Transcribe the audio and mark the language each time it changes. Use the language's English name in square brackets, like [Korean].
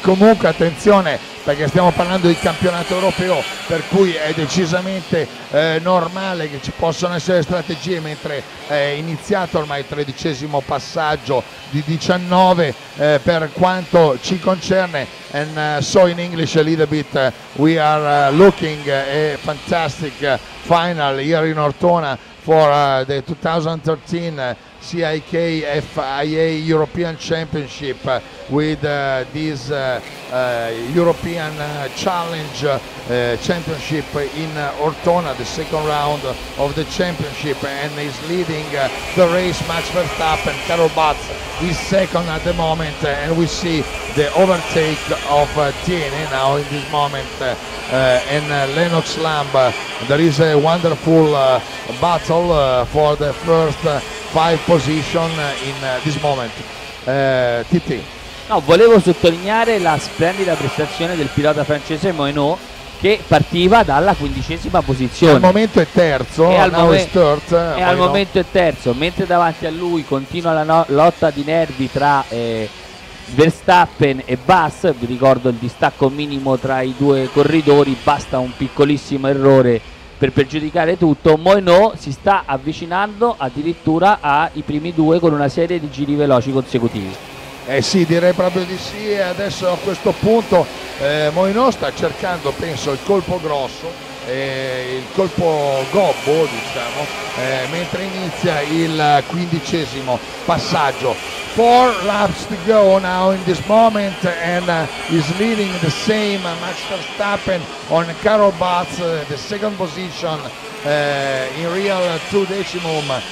[Italian] Comunque attenzione, perché stiamo parlando di campionato europeo, per cui è decisamente normale che ci possano essere strategie, mentre è iniziato ormai il tredicesimo passaggio di 19, per quanto ci concerne. [English] And so in English a little bit, we are looking a fantastic final here in Ortona for the 2013 CIK FIA European Championship with this European Challenge Championship in Ortona, the second round of the championship, and is leading the race. Max Verstappen, Carol Batz is second at the moment, and we see the overtake of Tiene now in this moment, and Lennox Lamb. There is a wonderful battle for the first five position in this moment. [Italian] Titi. No, volevo sottolineare la splendida prestazione del pilota francese Moinot, che partiva dalla quindicesima posizione. Al momento è terzo, e al, momento è terzo, mentre davanti a lui continua la lotta di nervi tra Verstappen e Bass. Vi ricordo il distacco minimo tra i due corridori, basta un piccolissimo errore per pregiudicare tutto. Moinot si sta avvicinando addirittura ai primi due con una serie di giri veloci consecutivi. Eh sì, direi proprio di sì. E adesso a questo punto Moinot sta cercando, penso, il colpo grosso, il colpo gobbo, diciamo, mentre inizia il quindicesimo passaggio. [English] Four laps to go now in this moment, and is leading the same Max Verstappen on Carol Batz, the second position, in real two decimum